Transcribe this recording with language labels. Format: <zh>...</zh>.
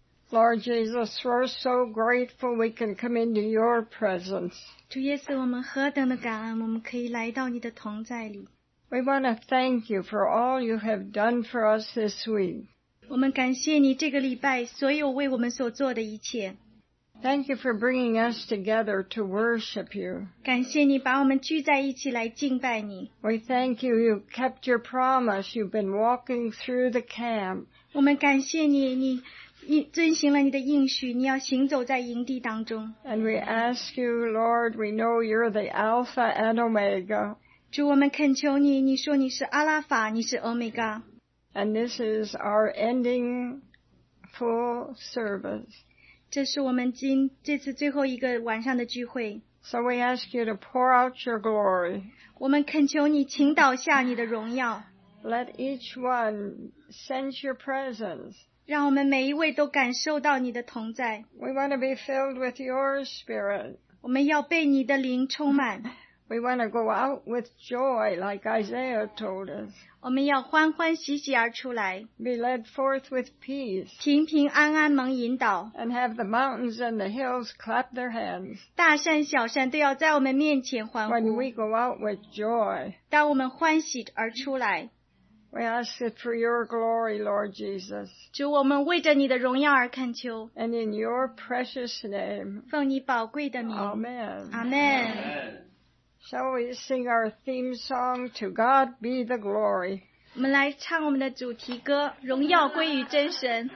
<en>Lord Jesus, we're so grateful we can come into your presence.</en> <zh>主耶稣，我们何等的感恩，我们可以来到你的同在里。</zh> <en>We want to thank you for all you have done for us this week.</en> <zh>我们感谢你这个礼拜所有为我们所做的一切。</zh> <en>Thank you for bringing us together to worship you.</en> <zh>感谢你把我们聚在一起来敬拜你。</zh> <en>We thank you. You kept your promise. You've been walking through the camp.</en> <zh>我们感谢你，你遵行了你的应许，你要行走在营地当中。</zh> <en>And we ask you, Lord, we know you're the Alpha and Omega.</en> <zh>主，我们恳求你，你说你是阿拉法，你是 Omega.</zh> <en>And this is our ending full service.</en> <zh>这是我们这次最后一个晚上的聚会。</zh> <en>So we ask you to pour out your glory.</en> <zh>我们恳求你倾倒下你的荣耀。</zh> <en>Let each one sense your presence.</en> <zh>让我们每一位都感受到你的同在。</zh> <en>We want to be filled with your spirit.</en> <zh>我们要被你的灵充满。</zh> <en>We want to go out with joy, like Isaiah told us.</en> <zh>我们要欢欢喜喜而出来。</zh> <en>Be led forth with peace.</en> <zh>平平安安蒙引导。</zh> <en>And have the mountains and the hills clap their hands.</en> <zh>大山小山都要在我们面前欢呼。</zh> <en>When we go out with joy.</en> <zh>当我们欢喜而出来。</zh> <en>We ask it for your glory, Lord Jesus.</en> <zh>主，我们为着你的荣耀而恳求。</zh> <en>And in your precious name.</en> <zh>奉你宝贵的名。</zh> <en>Amen. Amen. Shall we sing our theme song, To God Be the Glory?</en> <zh>我们来唱我们的主题歌，荣耀归于真神。</zh>